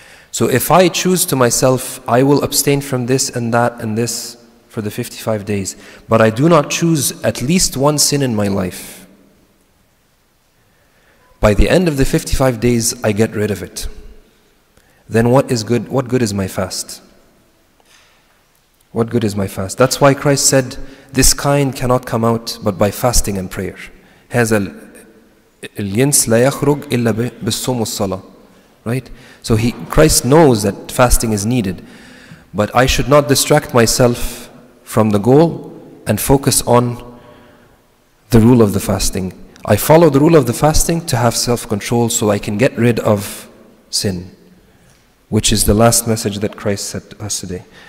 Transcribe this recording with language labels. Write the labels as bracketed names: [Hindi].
[English] So if I choose to myself, I will abstain from this and that and this for the 55 days, but I do not choose at least one sin in my life, by the end of the 55 days, I get rid of it. Then what is good? What good is my fast? What good is my fast? That's why Christ said, this kind cannot come out but by fasting and prayer. [Arabic] هذا الجنس لا يخرج إلا بالصوم والصلاة. [English] Right? So Christ knows that fasting is needed. But I should not distract myself from the goal and focus on the rule of the fasting. I follow the rule of the fasting to have self-control so I can get rid of sin, which is the last message that Christ said to us today.